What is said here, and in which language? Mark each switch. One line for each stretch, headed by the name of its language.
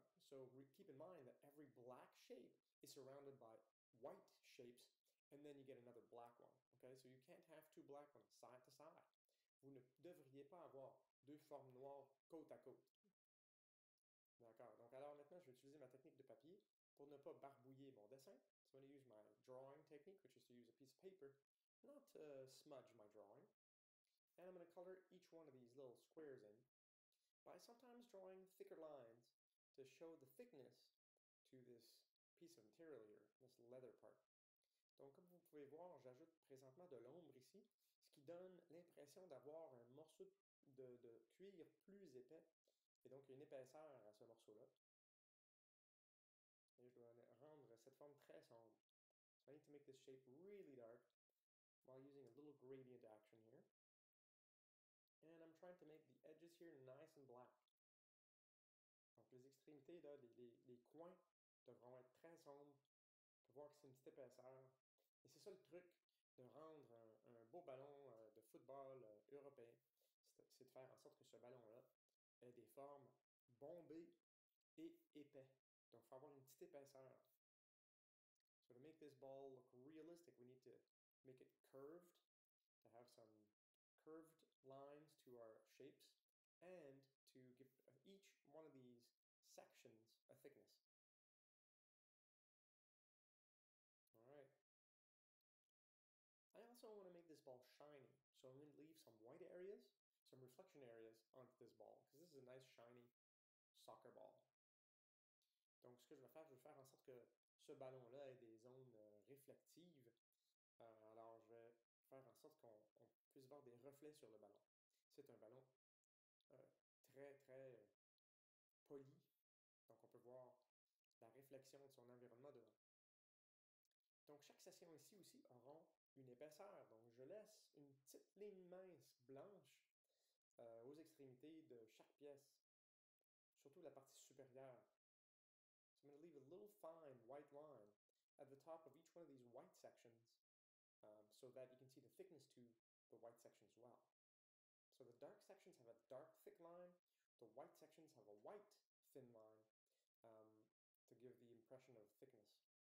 English: So keep in mind that every black shape is surrounded by white shapes, and then you get another black one, okay? So you can't have two black ones side to side.
French: Vous ne devriez pas avoir deux formes noires côte à côte. D'accord, donc alors maintenant, je vais utiliser ma technique de papier pour ne pas barbouiller mon dessin.
English: So I'm going to use my drawing technique, which is to use a piece of paper, not to smudge my drawing. And I'm going to color each one of these little squares in by sometimes drawing thicker lines to show the thickness to this piece of material here, this leather part.
French: Donc, comme vous pouvez voir, j'ajoute présentement de l'ombre ici, ce qui donne l'impression d'avoir un morceau de cuir plus épais, et donc une épaisseur à ce morceau-là. Et je dois rendre cette forme très sombre.
English: So I need to make this shape really dark while using a little gradient action here. And I'm trying to make the edges here nice and black.
French: Donc les extrémités, là, les coins devront être très sombres. On peut voir que c'est une petite épaisseur. Et c'est ça le truc de rendre un beau ballon de football européen. C'est de faire en sorte que ce ballon-là ait des formes bombées et épais. Donc il faut avoir une petite épaisseur.
English: So to make this ball look realistic, we need to make it curved, to have some curved lines to our shapes, and to give each one of these sections a thickness. All right. I also want to make this ball shiny, so I'm going to leave some white areas, some reflection areas onto this ball, because this is a nice shiny soccer ball.
French: Donc ce que je vais faire en sorte que ce ballon-là ait des zones réflectives. Alors, je vais faire en sorte qu'on puisse voir des reflets sur le ballon. C'est un ballon très, très poli. Donc, on peut voir la réflexion de son environnement dedans. Donc, chaque section ici aussi auront une épaisseur. Donc, je laisse une petite ligne mince blanche aux extrémités de chaque pièce, surtout la partie supérieure.
English: So I'm going to leave a little fine white line at the top of each one of these white sections so that you can see the thickness to the white section as well. So the dark sections have a dark thick line, the white sections have a white thin line to give the impression of thickness.